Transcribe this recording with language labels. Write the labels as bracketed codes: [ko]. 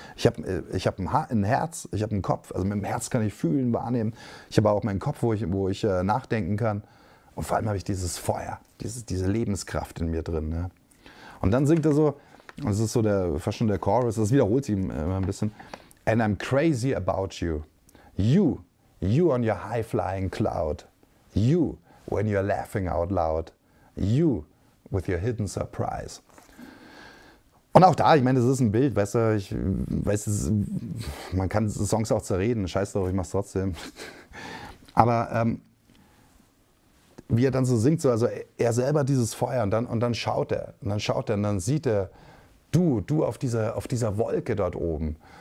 [de] Ich hab ein Herz, ich habe einen Kopf. Also mit dem Herz kann ich fühlen, wahrnehmen. Ich habe auch meinen Kopf, wo ich nachdenken kann. Und vor allem habe ich dieses Feuer, diese Lebenskraft in mir drin. Ne? Und dann singt er so, das ist so fast schon der Chorus, das wiederholt sich immer ein bisschen. [en] And I'm crazy about you. You on your high-flying cloud. You, when you're laughing out loud. You, with your hidden surprise. [de] Und auch da, ich meine, das ist ein Bild, weißt du, ich weiß, man kann Songs auch zerreden, scheiß drauf, ich mach's trotzdem. Aber wie er dann so singt, so, also er selber hat dieses Feuer und dann schaut er. Und dann schaut er und dann sieht er, du auf dieser Wolke dort oben.